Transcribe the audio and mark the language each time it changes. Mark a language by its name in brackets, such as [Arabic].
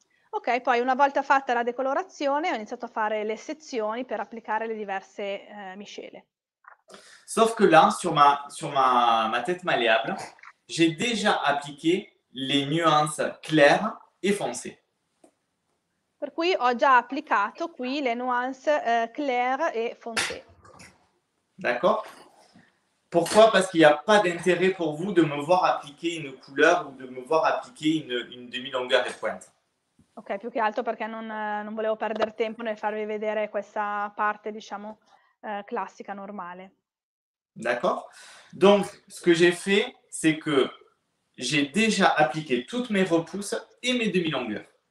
[Italian] Ok, poi una volta fatta la decolorazione, ho iniziato a fare le sezioni per applicare le diverse miscele. [French] Sauf que là, sur ma tête malléable, j'ai déjà appliqué les nuances claires et foncées. [Italian] Per cui ho già applicato qui le nuance claire e foncée. [French] D'accord. Pourquoi? Parce qu'il n'y a pas d'intérêt pour vous de me voir appliquer une couleur ou de me voir appliquer une demi-longueur et pointe. [Italian] Ok, più che altro perché non volevo perdere tempo nel farvi vedere questa parte, diciamo, classica, normale. [French] D'accord. Donc, ce que j'ai fait, c'est que j'ai déjà appliqué toutes mes repousses et mes demi-longueurs.